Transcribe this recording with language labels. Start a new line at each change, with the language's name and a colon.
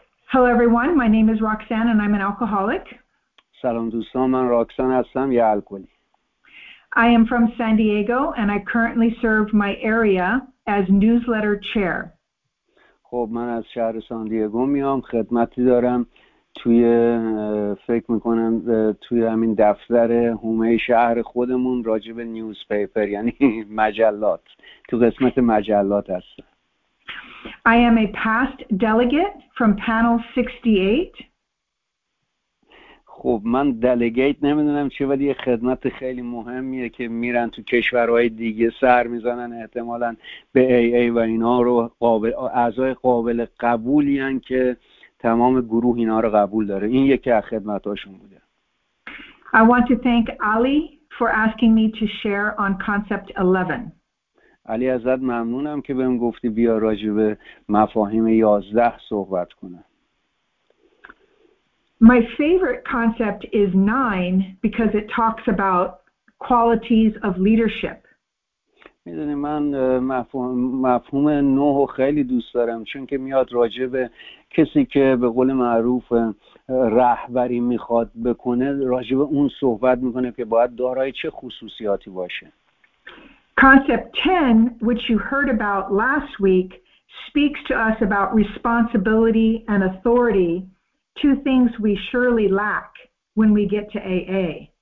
English: Hello everyone, my name is Roxanne and I'm an alcoholic.
Persian: سلام دوستان، من راکسان هستم، یه الکلی.
English: I am from San Diego and I currently serve my area as newsletter chair.
Persian: خب من از شهر سان دیگو میام، خدمتی دارم توی فکر میکنم توی همین دفتر حومه شهر خودمون راجع به نیوزپیپر یعنی مجلات، تو قسمت مجلات هستم.
English: I am a past delegate from panel 68.
Persian: خب من دلیگیت نمیدونم چه، ولی یه خدمت خیلی مهمیه که میرن تو کشورهای دیگه سر میزنن، احتمالاً به AA و اینا رو قابل اعضای قابل قبولی هن که تمام گروه اینا رو قبول داره. این یکی از خدمتاشون بوده.
English: I want to thank Ali for asking me to share on concept 11.
Persian: علی ازت ممنونم که بهم گفتی بیا راجع به مفاهیم 11 صحبت کنم.
English: My favorite concept is 9 because it talks about qualities of leadership.
Persian: میدونی من مفهوم 9 رو خیلی دوست دارم چون که میاد راجع به کسی که به قول معروف رهبری میخواد بکنه راجع به اون صحبت میکنه که باید دارای چه خصوصیاتی باشه.
English: Concept 10, which you heard about last week, speaks to us about responsibility and authority, two things we surely lack when we get to AA.